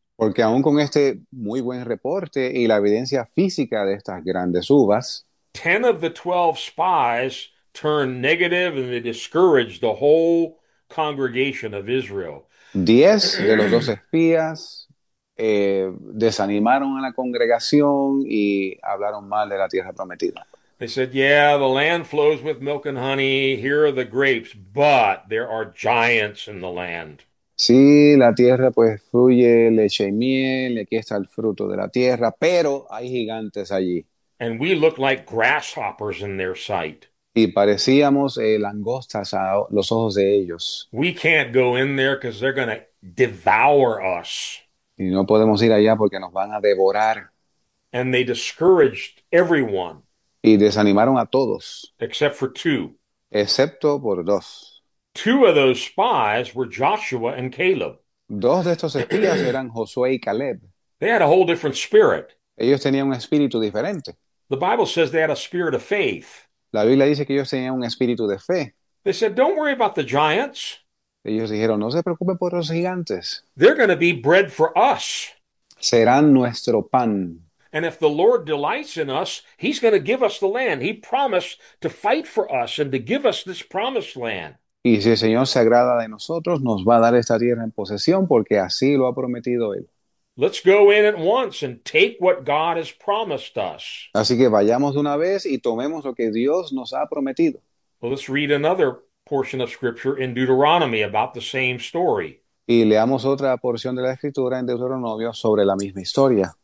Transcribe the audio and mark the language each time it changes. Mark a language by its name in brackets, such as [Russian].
[Spanish] Porque aún con este muy buen reporte y la evidencia física de estas grandes uvas, [English] 10 of the 12 spies turned negative and they discouraged the whole congregation of Israel. [Spanish] 10 de los 12 espías desanimaron a la congregación y hablaron mal de la tierra prometida. [English] They said, yeah, the land flows with milk and honey. Here are the grapes, but there are giants in the land. [Spanish] Sí, la tierra pues fluye leche y miel, aquí está el fruto de la tierra, pero hay gigantes allí. [English] And we look like grasshoppers in their sight. [Spanish] Y parecíamos langostas a los ojos de ellos. [English] We can't go in there because they're going to devour us. [Spanish] Y no podemos ir allá porque nos van a devorar. [English] And they discouraged everyone. [Spanish] Y desanimaron a todos, [English] Except for two. [Spanish] excepto por dos. [English] Two of those spies were Joshua and Caleb. [Spanish] Dos de estos espías eran Josué y Caleb. [English] They had a whole different spirit. [Spanish] Ellos tenían un espíritu diferente. [English] The Bible says they had a spirit of faith. [Spanish] La Biblia dice que ellos tenían un espíritu de fe. [English] They said, don't worry about the giants. [Spanish] Ellos dijeron, no se preocupen por los gigantes. [English] They're going to be bread for us. [Spanish] Serán nuestro pan. [English] And if the Lord delights in us, He's going to give us the land. He promised to fight for us and to give us this promised land. [Spanish] Y si el Señor se agrada de nosotros, nos va a dar esta tierra en posesión, porque así lo ha prometido Él. [English] Let's go in at once and take what God has promised us. [Spanish] Así que vayamos de una vez y tomemos lo que Dios nos ha prometido. [English] Well, let's read another portion of scripture in Deuteronomy about the same story. [Spanish] Y leamos otra porción de la escritura en Deuteronomio sobre la misma historia.